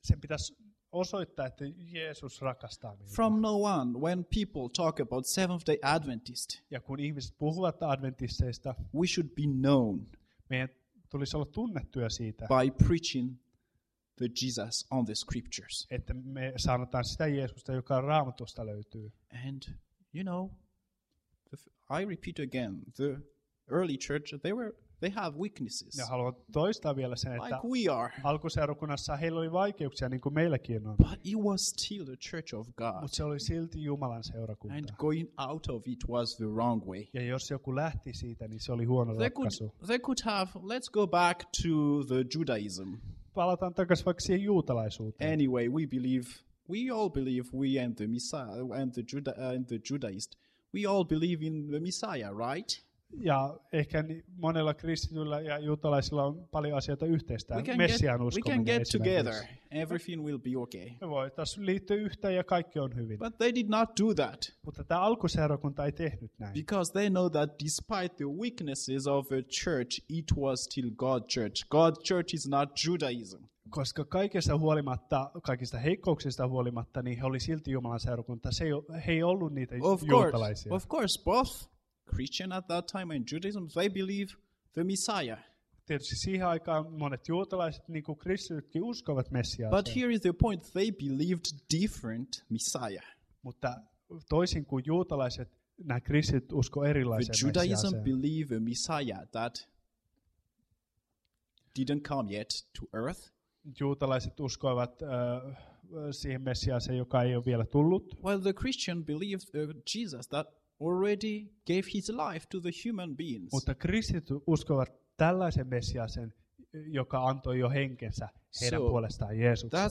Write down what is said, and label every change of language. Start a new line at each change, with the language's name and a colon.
Finnish: Sen pitäisi osoittaa, että Jeesus rakastaa meitä.
English: From no one, when people talk about Seventh-day Adventist,
Finnish: ja kun ihmiset puhuvat adventisteista,
English: we should be known.
Finnish: Meidän tulisi olla tunnettuja siitä.
English: By preaching the Jesus on the scriptures.
Finnish: Että me sanotaan sitä Jeesusta, joka Raamatusta löytyy.
English: And you know, I repeat again, the early church, they have weaknesses.
Finnish: Ja haluan toistaa vielä sen,
English: like
Finnish: että
English: we are.
Finnish: Alkuseurakunnassa heillä oli vaikeuksia, niin kuin meilläkin on.
English: But it was still the church of God.
Finnish: Mutta se oli silti Jumalan seurakunta.
English: And going out of it was the wrong way.
Finnish: Ja jos joku lähti siitä, niin se oli huono ratkaisu.
English: They could have, let's go back to the Judaism.
Finnish: Palataan takaisin vaikka siihen juutalaisuuteen.
English: Anyway, we believe, we all believe we and the Messiah and the Judaist, we all believe in the Messiah, right?
Finnish: Ja ehkä monella kristityllä ja juutalaisilla on paljon asioita yhteistä. Messiaan uskominen.
English: We can get together. Everything will be okay.
Finnish: Me voitaisiin liittyä yhteen ja kaikki on hyvin.
English: But they did not do that.
Finnish: Mutta tämä alkuseurakunta ei tehnyt näin.
English: Because they know that despite the weaknesses of a church, it was still God's church. God's church is not Judaism.
Finnish: Koska kaikesta huolimatta, kaikista heikkouksista huolimatta, niin he oli silti Jumalan seurakunta. He ei ollut niitä juutalaisia.
English: Of course, both. Christian at that time and Judaism, they believe the Messiah.
Finnish: Tietysti siihen aikaan monet juutalaiset, niin kuin kristitytkin, uskovat Messiaan.
English: But here is the point, they believed different Messiah.
Finnish: Mutta toisin kuin juutalaiset, nämä kristityt usko erilaisen Messiaan.
English: Judaism believe a Messiah that didn't come yet to earth.
Finnish: Juutalaiset uskoivat siihen Messiaaseen, joka ei ole vielä tullut.
English: While the Christian believed Jesus that already gave his life to the human beings.
Finnish: Mutta kristityt uskovat tällaisen Messiaan, joka antoi jo henkensä heidän
English: so,
Finnish: puolestaan Jeesukseen.